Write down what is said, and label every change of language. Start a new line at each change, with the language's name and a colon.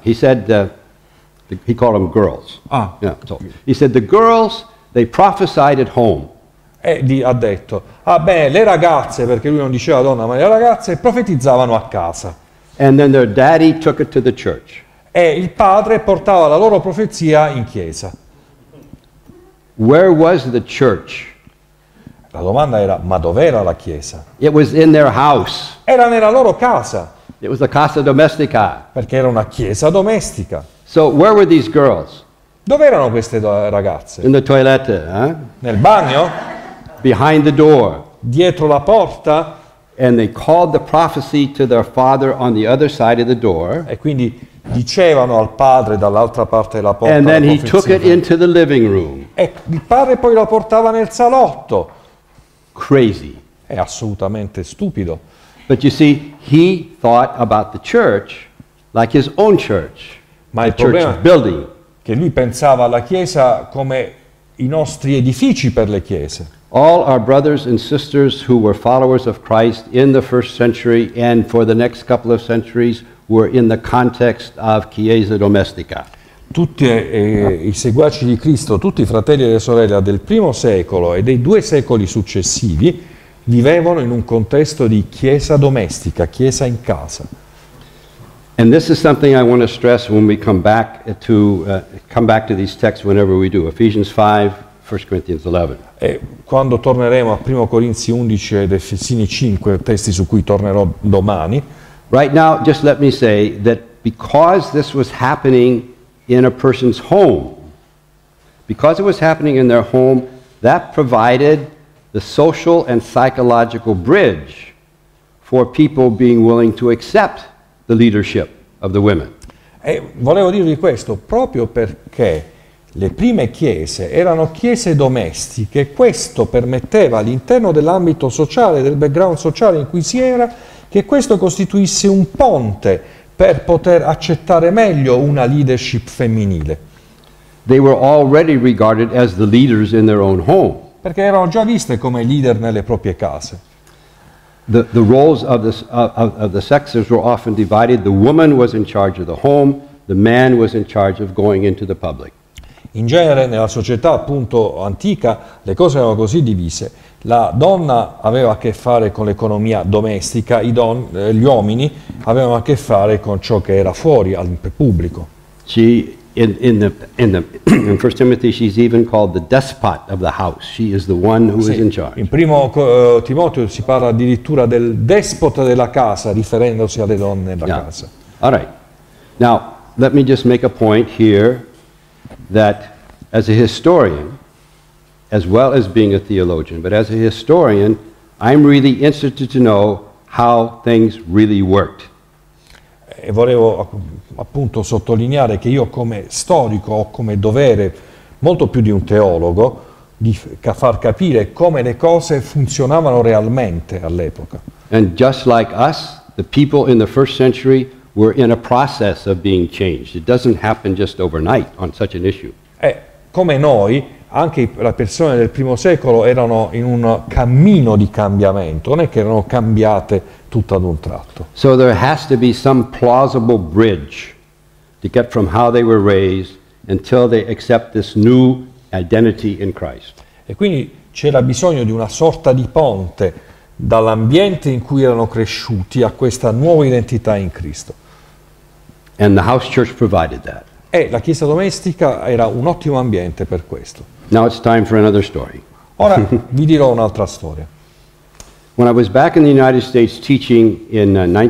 English: He said he called them girls. Ah. Yeah, so he said the girls they prophesied at home.
Italian: Ha detto, ah beh, le ragazze, perché lui non diceva donna, ma le ragazze profetizzavano a casa.
English: And then their daddy took it to the church.
Italian: E il padre portava la loro profezia in chiesa.
English: Where was the church?
Italian: La domanda era, ma dov'era la chiesa?
English: It was in their house.
Italian: Era nella loro casa.
English: It was a
Italian: casa domestica. Perché era una chiesa domestica.
English: So where were these girls?
Italian: Dove erano queste ragazze?
English: In the toilet, eh?
Italian: Nel bagno?
English: Behind the door.
Italian: Dietro la porta.
English: And they called the prophecy to their father on the other side of the door.
Italian: E quindi dicevano al padre dall'altra parte della porta.
English: And then he took it into the living room.
Italian: E il padre poi la portava nel salotto.
English: Crazy.
Italian: È assolutamente stupido.
English: But you see, he thought about the church like his own church.
Italian: Ma
English: the church building.
Italian: Che lui pensava alla chiesa come i nostri edifici per le chiese.
English: All our brothers and sisters who were followers of Christ in the first century and for the next couple of centuries were in the context of
Italian: chiesa domestica. Tutti i seguaci di Cristo, tutti i fratelli e le sorelle del primo secolo e dei due secoli successivi vivevano in un contesto di chiesa domestica, chiesa in casa.
English: And this is something I want to stress when we come back to these texts whenever we do. Ephesians 5, 1 Corinthians 11.
Italian: E quando torneremo a 1 Corinzi 11 ed Efesini 5, testi su cui tornerò domani.
English: Right now, just let me say that because this was happening in a person's home, because it was happening in their home, that provided the social and psychological bridge for people being willing to accept the leadership of the women.
Italian: E volevo dirvi questo proprio perché le prime chiese erano chiese domestiche, questo permetteva all'interno dell'ambito sociale, del background sociale in cui si era, che questo costituisse un ponte per poter accettare meglio una leadership femminile.
English: They were already regarded as the leaders in their own home.
Italian: Perché erano già viste come leader nelle proprie case.
English: The roles of the sexes were often divided. The woman was in charge of the home, the man was in charge of going into the public.
Italian: In genere, nella società appunto antica, le cose erano così divise. La donna aveva a che fare con l'economia domestica, gli uomini avevano a che fare con ciò che era fuori, al pubblico.
English: In 1 Timothy she's even called the despot of the house. She is the one who is in charge.
Italian: In primo Timoteo si parla addirittura del despota della casa, riferendosi alle donne della casa.
English: All right. Now, let me just make a point here that as a historian, as well as being a theologian, but as a historian, I'm really interested to know how things really worked.
Italian: E volevo appunto sottolineare che io come storico ho come dovere, molto più di un teologo, di far capire come le cose funzionavano realmente all'epoca.
English: And just like us, the people in the first century were in a process of being changed. It doesn't happen just overnight on such an issue.
Italian: E come noi, anche le persone del primo secolo erano in un cammino di cambiamento, non è che erano cambiate tutto ad un tratto.
English: So there has to be some plausible bridge to get from how they were raised until they accept this new identity in Christ.
Italian: E quindi c'era bisogno di una sorta di ponte dall'ambiente in cui erano cresciuti a questa nuova identità in Cristo.
English: And the house church provided that.
Italian: E la chiesa domestica era un ottimo ambiente per questo.
English: Now it's time for another story.
Italian: Ora vi dirò un'altra storia.
English: When I was back in the United States teaching in